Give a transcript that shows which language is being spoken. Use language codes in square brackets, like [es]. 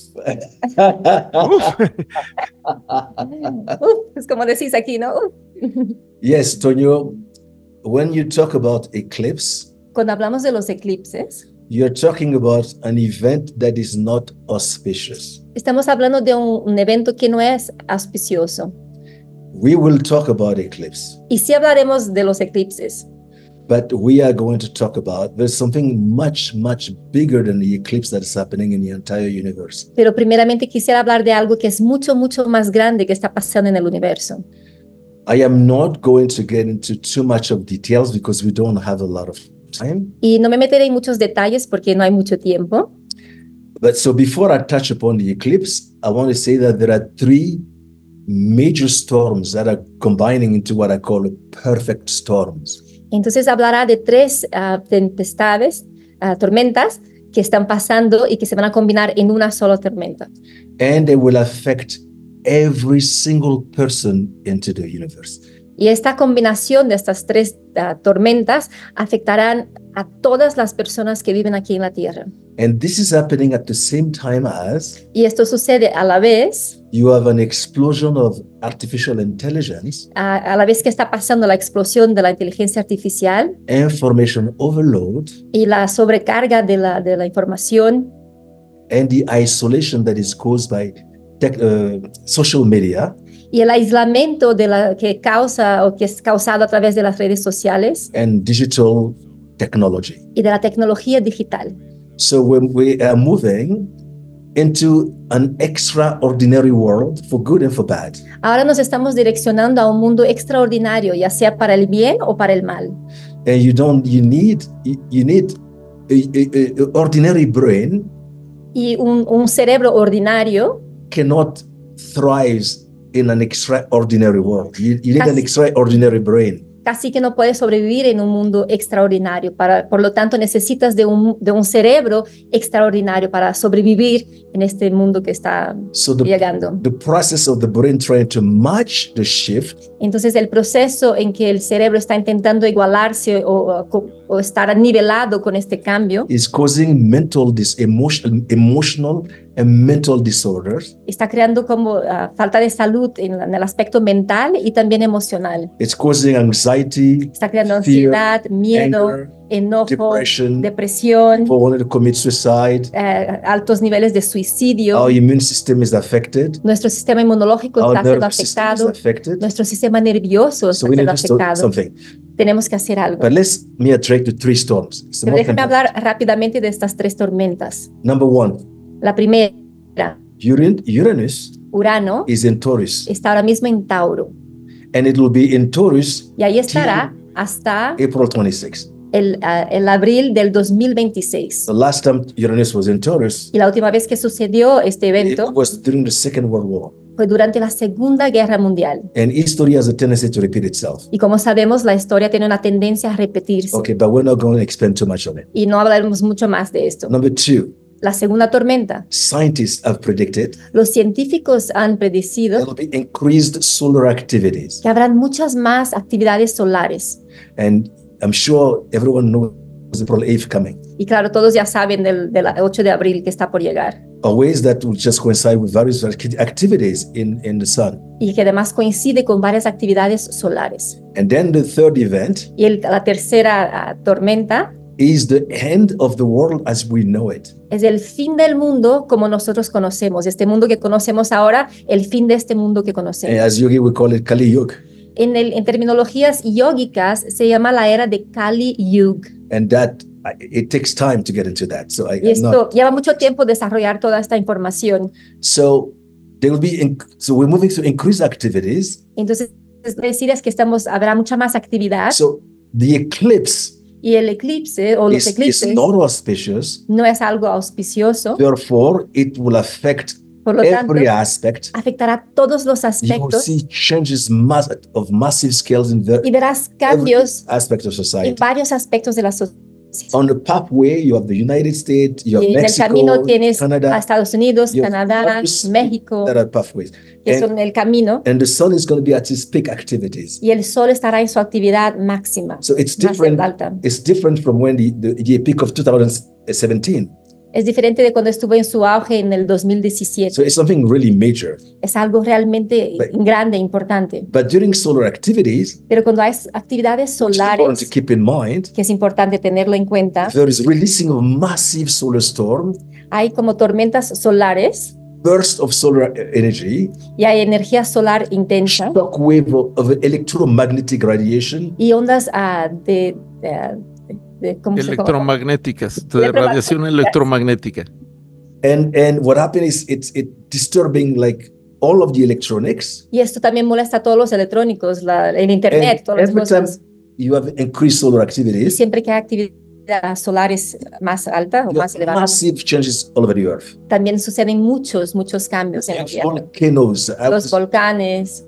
[es] Uf. Es como decís aquí, ¿no? [en] Yes, Toño, when you talk about eclipse, [es] cuando hablamos de los eclipses, [en] you're talking about an event that is not auspicious. [es] Estamos hablando de un evento que no es auspicioso. [en] We will talk about eclipse. [es] Y sí hablaremos de los eclipses. [en] But we are going to talk about, there's something much, much bigger than the eclipse that is happening in the entire universe. [es] Pero primeramente quisiera hablar de algo que es mucho, mucho más grande que está pasando en el universo. [en] I am not going to get into too much of details because we don't have a lot of time. [es] Y no me meteré en muchos detalles porque no hay mucho tiempo. [en] But so before I touch upon the eclipse, I want to say that there are three major storms that are combining into what I call perfect storms. [es] Entonces hablará de tres tempestades, tormentas que están pasando y que se van a combinar en una sola tormenta. [en] And they will affect every single person into the universe. [es] Y esta combinación de estas tres tormentas afectarán a todas las personas que viven aquí en la Tierra. [en] And this is happening at the same time as, [es] y esto sucede a la vez, [en] you have an explosion of artificial intelligence, [es] a la vez que está pasando la explosión de la inteligencia artificial, [en] information overload, [es] y la sobrecarga de la información, [en] and the isolation that is caused by social media, [es] y el aislamiento de la que causa o que es causado a través de las redes sociales [en] and digital technology. [es] Y de la tecnología digital. [en] So when we are moving into an extraordinary world for good and for bad. [es] Ahora nos estamos direccionando a un mundo extraordinario, ya sea para el bien o para el mal. [en] And you need a ordinary brain. [es] Y un cerebro ordinario [en] cannot thrive in an extraordinary world. You need an extraordinary brain. [es] Casi que no puedes sobrevivir en un mundo extraordinario. Por lo tanto, necesitas de un cerebro extraordinario para sobrevivir en este mundo que está llegando. [en] The process of the brain trying to match the shift. [es] Entonces el proceso en que el cerebro está intentando igualarse o estar nivelado con este cambio [en] is causing mental emotional and mental disorders. [es] Está creando como falta de salud en el aspecto mental y también emocional. [en] It's causing anxiety. [es] Está creando ansiedad, [en] fear, [es] miedo, [en] anger, [es] enojo, [en] depression, [es] depresión. [en] People wanted to commit suicide. [es] Altos niveles de suicidio. [en] Our immune system is affected. [es] Nuestro sistema inmunológico [en] our [es] está siendo afectado. [en] Is affected. [es] Nuestro sistema nervioso [en] so [es] está siendo afectado. [en] Something. [es] Tenemos que hacer algo. [en] But let me attract the three storms. [es] Pero déjame hablar rápidamente de estas tres tormentas. [en] Number one. [es] La primera. [en] Uranus. [es] Urano. [en] Is in Taurus. [es] Está ahora mismo en Tauro. [en] And it will be in Taurus. [es] Y ahí estará hasta [en] April 26. [es] El abril del 2026. [en] The last time Uranus was in Taurus. [es] Y la última vez que sucedió este evento. [en] It was during the Second World War. [es] Fue durante la Segunda Guerra Mundial. [en] And history has a tendency to repeat itself. [es] Y como sabemos, la historia tiene una tendencia a repetirse. [en] Okay, but we're not going to expand too much on it. [es] Y no hablaremos mucho más de esto. [en] Number two. [es] La segunda tormenta. [en] Scientists have predicted. [es] Los científicos han predicho. [en] There will be increased solar activities. [es] Que habrán muchas más actividades solares. [en] And I'm sure everyone knows April 8th coming. [es] Y claro, todos ya saben del 8 de abril que está por llegar. [en] A ways that will just coincide with various activities in the sun. [es] Y que además coincide con varias actividades solares. [en] And then the third event. [es] Y la tercera tormenta. [en] Is the end of the world as we know it. [es] Es el fin del mundo como nosotros conocemos. Este mundo que conocemos ahora, el fin de este mundo que conocemos. [en] And as yogi, we call it Kali Yuga. [es] En terminologías yógicas se llama la era de Kali Yuga. [en] And that it takes time to get into that. So [es] y esto lleva mucho tiempo desarrollar toda esta información. [en] So there will be so we're moving to increased activities. [es] Entonces decir es que habrá mucha más actividad. [en] So the eclipse. [es] Y el eclipse o los eclipses [en] is not auspicious. [es] No es algo auspicioso. [en] Therefore it will affect every aspect. [es] Afectará todos los aspectos. [en] You will see changes of massive scales in the [es] y verás cambios [en] every aspect of society. [es] En varios aspectos de la sociedad. [en] On the pathway you have the United States, you have [es] y [en] Mexico, [es] en el camino tienes [en] Canada, [es] a Estados Unidos, Canadá, México. [en] There are pathways. [es] Que son el camino. [en] And the sun is going to be at its peak activities. [es] Y el sol estará en su actividad máxima. [en] So it's different. It's different from when the peak of 2017. [es] Es diferente de cuando estuvo en su auge en el 2017. [en] So it's something really major. [es] Es algo realmente grande, importante. [en] But during solar activities, [es] pero cuando hay actividades solares, [en] which is important to keep in mind, [es] que es importante tenerlo en cuenta, [en] there is releasing of massive solar storm, [es] hay como tormentas solares, [en] burst of solar energy, [es] y hay energía solar intensa, [en] shock wave of electromagnetic radiation, [es] y ondas de electromagnéticas, de radiación electromagnética. [en] And what happened is it disturbing like all of the electronics. [es] Y esto también molesta a todos los electrónicos, el internet, todas las cosas. [en] You have increased solar activities. [es] Y siempre que hay actividad solar es más alta o más elevada. [en] Massive changes all over the earth. [es] También suceden muchos cambios en la tierra. [en] Volcanoes. [es] Los volcanes.